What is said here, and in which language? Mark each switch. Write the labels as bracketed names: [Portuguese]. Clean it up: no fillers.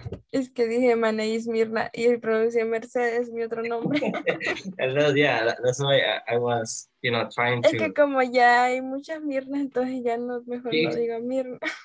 [Spanish] Es que dije, [English] my name is Mirna, [Spanish] y pronuncié Mercedes, mi otro nombre. [English] that's why I was, you know, trying to... [Spanish] Es que como ya hay muchas Mirna, entonces ya no, mejor no digo Mirna.